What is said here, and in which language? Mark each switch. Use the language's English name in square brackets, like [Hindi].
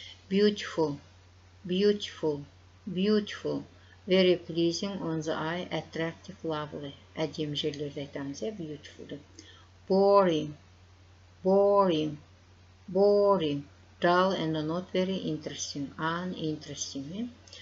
[English] Beautiful, beautiful, beautiful, very pleasing on the eye, attractive, lovely. [Kazakh] Әдем жерлерді айтамыз, beautiful деп. [English] Boring, boring, boring. Dull and not very interesting, uninteresting.